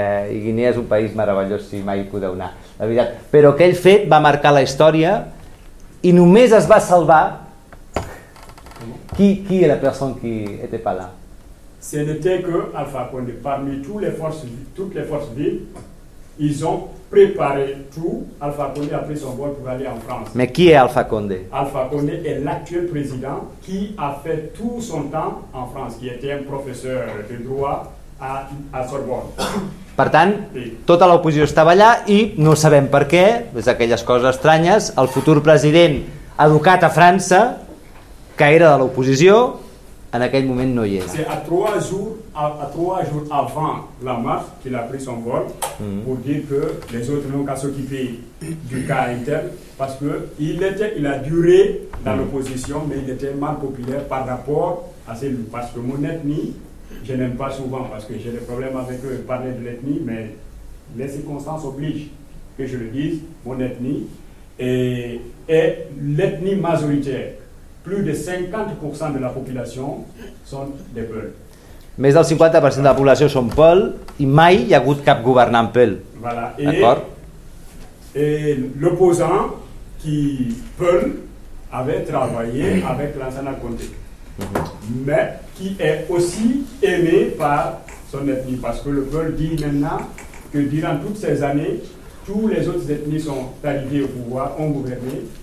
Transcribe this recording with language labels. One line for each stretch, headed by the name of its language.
Catalan: I Guinea és un país meravellós, si mai hi podeu anar, la veritat. Però aquell fet va marcar la història i només es va salvar... Qui era la persona que
French: était pas là? Ce n'était que Alpha Condé. Parmi toutes les forces vives, ils ont préparé tout. Alpha Condé a pris son vol pour aller en France. Mais qui est Alpha Condé? Alpha Condé est l'actuel président qui a fait tout son temps en France, qui était un professeur de droit à Sorbonne.
Catalan: Per tant, tota l'oposició estava allà i no sabem per què, des d'aquelles coses estranyes, el futur president educat a França, que era de l'oposició, en aquell moment no hi era.
French: C'est à trois jours avant la marche qu'il a pris son vol pour dire que les autres n'ont qu'à s'occuper du cas interne parce que il a duré dans l'opposition mais il était mal populaire par rapport à ses loups. Parce que mon ethnie, je n'aime pas souvent parce que j'ai des problèmes avec eux, parler de l'ethnie, mais les circonstances obligent que je le dise, mon ethnie est l'ethnie majoritaire. Plus de 50% de la population
Catalan: són de
French: peul.
Catalan: Més del 50% de la població són peul i mai hi ha hagut cap governant peul.
French: Voilà. D'acord? L'oposant qui peul avait travaillé avec l'ancien Condé. Mais qui est aussi aimé par son ethnie. Parce que le peul dit maintenant que durant toutes ces années, tous les autres ethnies sont arrivées au pouvoir, ont gouverné.